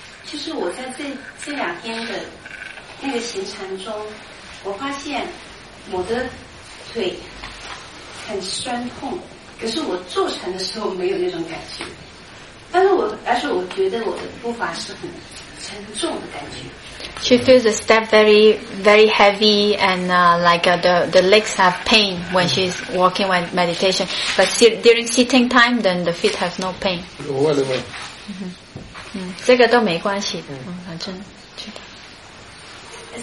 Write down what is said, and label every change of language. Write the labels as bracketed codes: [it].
[zh] 就是我在这两天的那个行程中，我发现我的腿很酸痛，可是我坐禅的时候没有那种感觉，但是我觉得我的步伐是很沉重的感觉。 [en] She feels the step very very heavy and the legs have pain when she's walking when meditation, but during sitting time then the feet have no pain. Whatever. [zh] 这个都没关系的，反正去的。